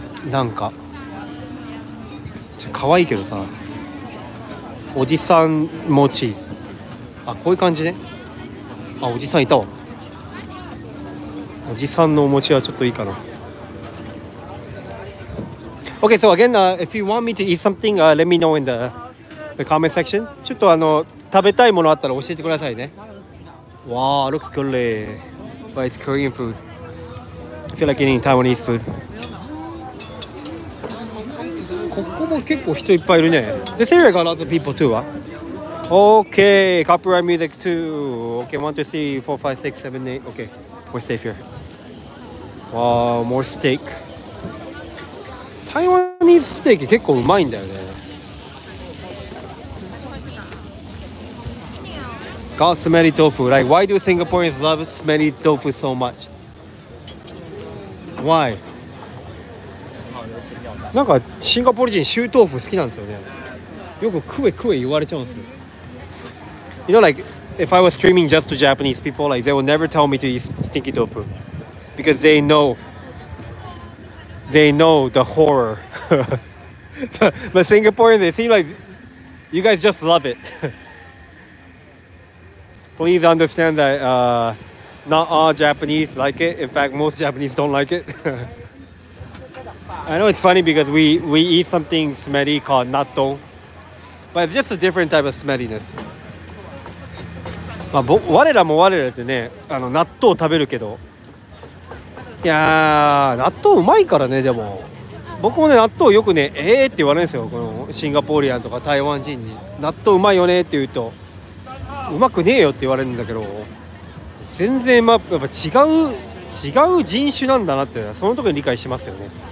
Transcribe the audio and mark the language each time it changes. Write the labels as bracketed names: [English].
[Japanese] なんか。ちょ、可愛いけどさ。おじさん餅。あ、こういう感じね。あ、おじさんいたわ。おじさんのお餅はちょっといいかな。 [English] OK, so again, if you want me to eat something, let me know in the comment section. [Japanese] ちょっとあの、食べたいものあったら教えてくださいね。 [English] わー、looks good. But it's Korean food. I feel like eating Taiwanese food. [Japanese] ここも結構人いっぱいいるね。 [English] This area got a lot of people too, huh? Okay, copyright music too. Okay, want to see 4, 5, 6, 7, 8. Okay, we're safe here. Wow, more steak. Taiwanese steak [Japanese] 結構うまいんだよね。 [English] Got smelly tofu. Like, why do Singaporeans love smelly tofu so much? Why? [Japanese] なんかシンガポール人シュートーフ好きなんですよね。よくクエクエ言われちゃうんですよ。 [English] You know like if I was streaming just to Japanese people like they will never tell me to eat stinky tofu because they know the horror. But Singaporeans they seem like You guys just love it. Please understand that not all Japanese like it. In fact, most Japanese don't like it. I know it's funny because we eat something smelly called natto. But it's just a different type of smelliness. [Japanese] まあ、我らも我らでね、あの納豆を食べるけど、いやー納豆うまいからね。でも僕もね納豆よくねえーって言われるんですよ。このシンガポーリアンとか台湾人に納豆うまいよねって言うと、うまくねえよって言われるんだけど、全然まあやっぱ違う人種なんだなってその時に理解しますよね。